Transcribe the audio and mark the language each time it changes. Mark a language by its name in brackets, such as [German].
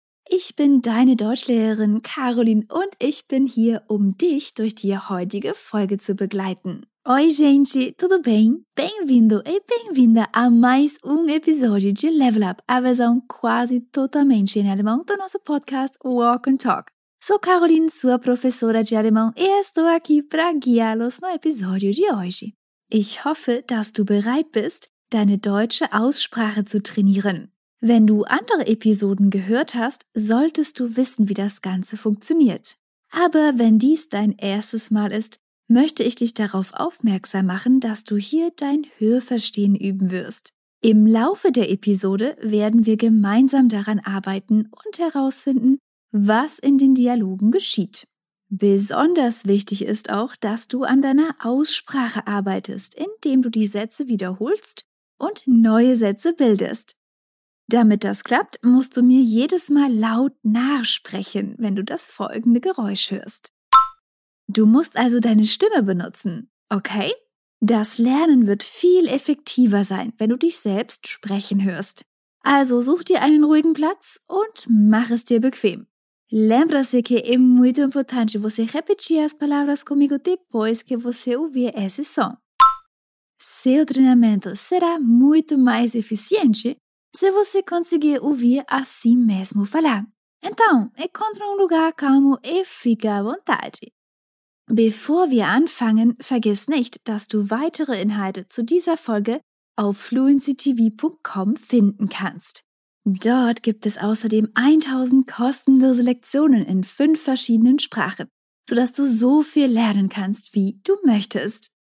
[German] Ich bin deine Deutschlehrerin Caroline und ich bin hier, um dich durch die heutige Folge zu begleiten. [Portuguese] Oi gente, tudo bem? Bem-vindo e bem-vinda a mais episódio de Level Up, a versão quasi totalmente em alemão do nosso podcast Walk and Talk. Sou Caroline, sua professora de alemão, e estou aqui para guiá-los no episódio de hoje. [German] Ich hoffe, dass du bereit bist, deine deutsche Aussprache zu trainieren. Wenn du andere Episoden gehört hast, solltest du wissen, wie das Ganze funktioniert. Aber wenn dies dein erstes Mal ist, möchte ich dich darauf aufmerksam machen, dass du hier dein Hörverstehen üben wirst. Im Laufe der Episode werden wir gemeinsam daran arbeiten und herausfinden, was in den Dialogen geschieht. Besonders wichtig ist auch, dass du an deiner Aussprache arbeitest, indem du die Sätze wiederholst und neue Sätze bildest. Damit das klappt, musst du mir jedes Mal laut nachsprechen, wenn du das folgende Geräusch hörst. Du musst also deine Stimme benutzen, okay? Das Lernen wird viel effektiver sein, wenn du dich selbst sprechen hörst. Also such dir einen ruhigen Platz und mach es dir bequem. [Portuguese] Lembra-se que é muito importante você repetir as palavras comigo depois que você ouvir esse som. Seu treinamento será muito mais eficiente se você conseguir ouvir a si mesmo falar. Então, encontre lugar calmo e fique à vontade. [German] Bevor wir anfangen, vergiss nicht, dass du weitere Inhalte zu dieser Folge auf fluencytv.com finden kannst. Dort gibt es außerdem 1000 kostenlose Lektionen in 5 verschiedenen Sprachen, sodass du so viel lernen kannst, wie du möchtest.